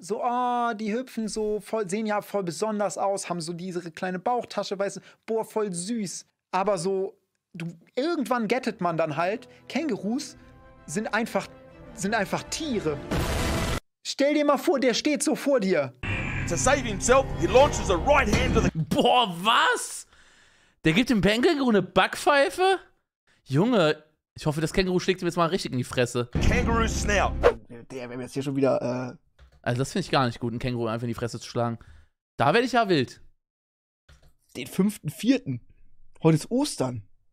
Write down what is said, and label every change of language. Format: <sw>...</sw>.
<de>So, oh, die hüpfen so voll, sehen ja voll besonders aus, haben so diese kleine Bauchtasche, weißt du, boah, voll süß. Aber so, irgendwann gettet man dann halt, Kängurus sind einfach Tiere. Stell dir mal vor, der steht so vor dir.</de> <en>To save himself, he launches a right hand to the...</en> <de>Boah, was? Der gibt dem Känguru eine Backpfeife? Junge, ich hoffe, das Känguru schlägt ihm jetzt mal richtig in die Fresse. Känguru snap. Der wäre jetzt hier schon wieder, Also das finde ich gar nicht gut, ein Känguru einfach in die Fresse zu schlagen. Da werde ich ja wild. Den 5.4. Heute ist Ostern.</de>